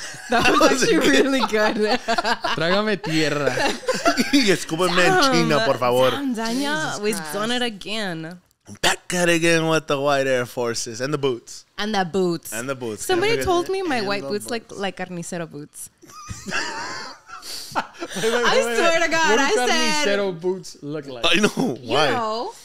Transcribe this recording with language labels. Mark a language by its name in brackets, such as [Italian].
[English] That was actually really good. [Spanish] Trágame tierra. Y escúpeme en China, por favor. [English] We've done it again. Back at again with the white air forces and the boots. And the boots. Somebody told me my white boots look like carnicero boots. I swear to God, I said. What do boots look like? I know. Why? You know,